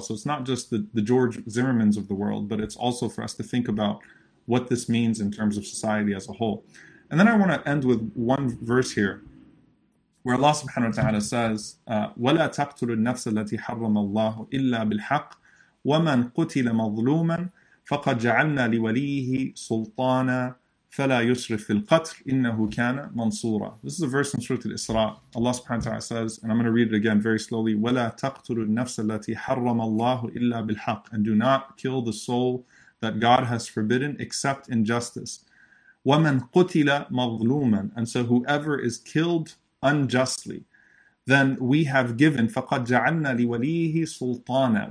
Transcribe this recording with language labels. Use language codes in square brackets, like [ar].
[en] So it's not just the George Zimmermans of the world, but it's also for us to think about what this means in terms of society as a whole. And then I want to end with one verse here, where Allah subhanahu wa ta'ala says, [ar] وَلَا تَقْتُلُ النَّفْسَ الَّتِي حَرَّمَ اللَّهُ إِلَّا بِالْحَقِّ وَمَنْ قُتِلَ مَظْلُومًا فَقَدْ جَعَلْنَا لِوَلِيِّهِ سُلْطَانًا فلا يسرف في القتل إنه كان منصورا. [en] This is a verse in Surah Al-Isra. Allah subhanahu wa ta'ala says, and I'm going to read it again very slowly, [ar] وَلَا تَقْتُلُ النَّفْسَ الَّتِي حَرَّمَ اللَّهُ إِلَّا بِالْحَقِّ. [en] And do not kill the soul that God has forbidden except in justice. [ar] وَمَنْ قُتِلَ مَظْلُومًا. [en] And so whoever is killed unjustly, then we have given, [ar] فَقَدْ جَعَلْنَا لِوَلِيهِ سُلْطَانًا.